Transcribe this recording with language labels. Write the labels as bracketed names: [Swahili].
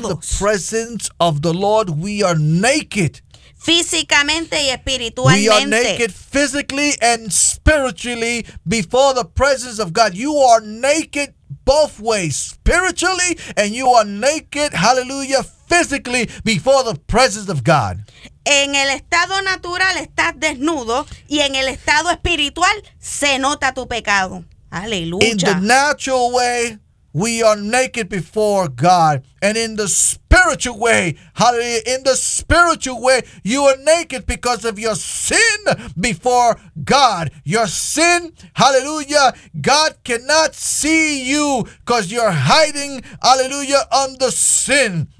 [English] Before the presence of the Lord, we are naked. [Spanish] Físicamente y espiritualmente. [English] We are naked physically and spiritually before the presence of God. You are naked both ways, spiritually, and you are naked, hallelujah, physically before the presence of God. [Spanish] En el estado natural estás desnudo y en el estado espiritual se nota tu pecado. Aleluya. [English] In the natural way, we are naked before God. And in the spiritual way, hallelujah, in the spiritual way, you are naked because of your sin before God. Your sin, hallelujah, God cannot see you because you're hiding, hallelujah, under sin.